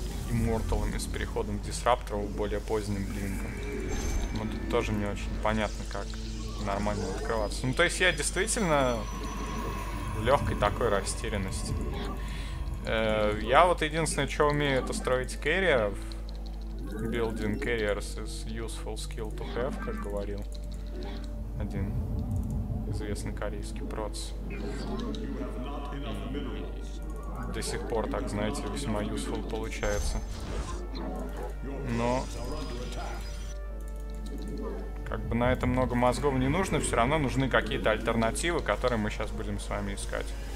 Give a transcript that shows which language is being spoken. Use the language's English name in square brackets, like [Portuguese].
[Russian] Имморталами с переходом к дисраптору более поздним блинком. Но тут тоже не очень понятно, как нормально открываться. Ну, то есть я действительно в легкой такой растерянности. Я вот единственное, что умею, это строить carriers. [English] Building carriers is useful skill to have, [Russian] как говорил один известный корейский проц. До сих пор так, знаете, весьма useful получается. Но как бы на это много мозгов не нужно, все равно нужны какие-то альтернативы, которые мы сейчас будем с вами искать.